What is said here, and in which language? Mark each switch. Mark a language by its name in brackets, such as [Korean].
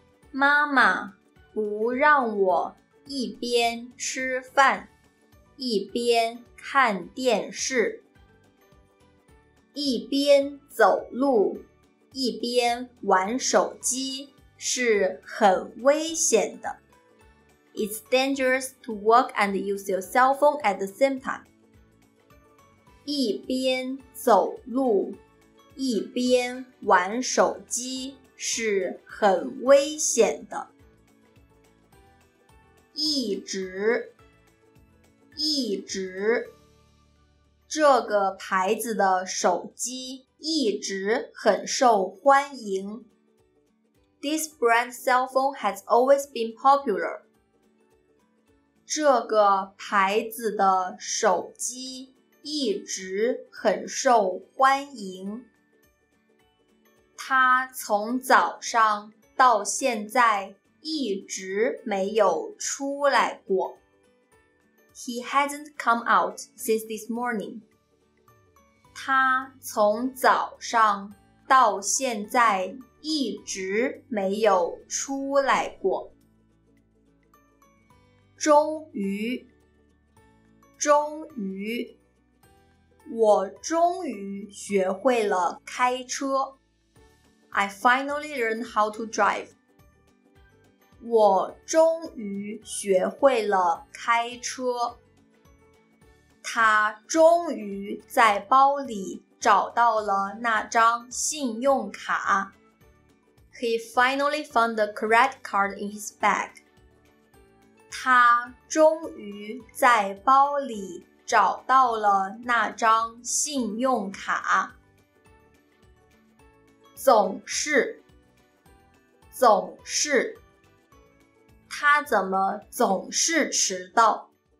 [Chinese] 妈妈不让我一边吃饭，一边看电视。一边走路，一边玩手机是很危险的。 [English] It's dangerous to walk and use your cell phone at the same time. [Chinese] 一边走路，一边玩手机是很危险的。一直，一直。这个牌子的手机一直很受欢迎。 [English] This brand cell phone has always been popular. [Chinese] 这个牌子的手机一直很受欢迎。他从早上到现在一直没有出来过。 [English] He hasn't come out since this morning. [Chinese] 他从早上到现在一直没有出来过。终于，终于，我终于学会了开车。 [English] I finally learned how to drive. [Chinese] 我终于学会了开车。他终于在包里找到了那张信用卡。 [English] He finally found the credit card in his bag. [Chinese] 他终于在包里找到了那张信用卡。总是，总是。他怎么总是迟到？